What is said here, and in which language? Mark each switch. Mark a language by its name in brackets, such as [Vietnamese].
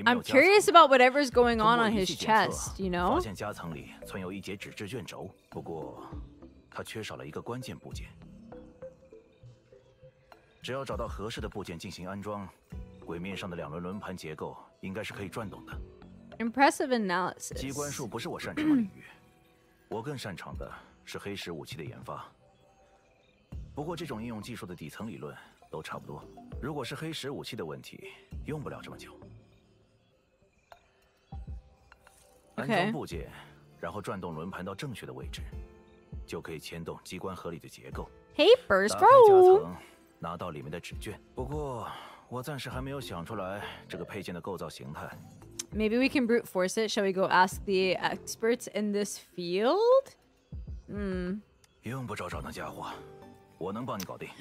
[English] I'm curious about whatever's going on his chest, you know? [Chinese] 发现夹层里存有一节纸质卷轴，不过它缺少了一个关键部件。只要找到合适的部件进行安装，鬼面上的两轮轮盘结构应该是可以转动的。 [English] Impressive analysis. [Chinese] 机关术不是我擅长的领域，我更擅长的是黑石武器的研发。不过这种应用技术的底层理论都差不多，如果是黑石武器的问题，用不了这么久。 [English] Okay. [Chinese] 安装部件，然后转动轮盘到正确的位置，就可以牵动机关合理的结构。 [English] Hey, first row. [Chinese] 打开夹层，拿到里面的纸卷。不过我暂时还没有想出来这个配件的构造形态。 [English] Maybe we can brute force it. Shall we go ask the experts in this field? Hmm. [Chinese] 用不着找那家伙，我能帮你搞定。